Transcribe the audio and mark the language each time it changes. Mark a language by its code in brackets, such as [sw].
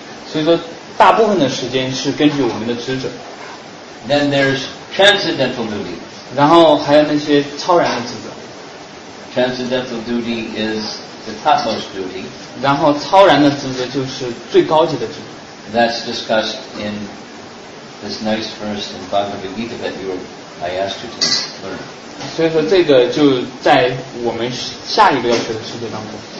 [zh] 所以说，大部分的时间是根据我们的职责。 [en] Then there's transcendental duty. [zh] 然后还有那些超然的职责。 [en] transcendental duty is the topmost duty. [zh] 然后超然的职责就是最高级的职责。 [en] That's discussed in this nice verse in Bhagavad Gita that you were, I asked you to learn. [zh] 所以说这个就在我们下一个要学的世界当中。